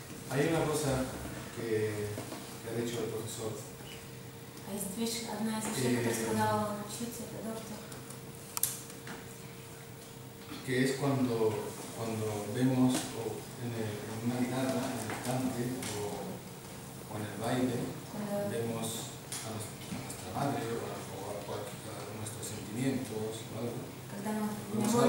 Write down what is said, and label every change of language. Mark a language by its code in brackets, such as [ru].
[es] Hay una cosa que ha dicho el profesor, [ru] Вот видишь, одна из ошибок, которую сказала вам учитель, это то, [es] que es cuando vemos o en una guitarra, en el cante o en el baile, vemos a nuestra madre o a cualquier de nuestros sentimientos o algo.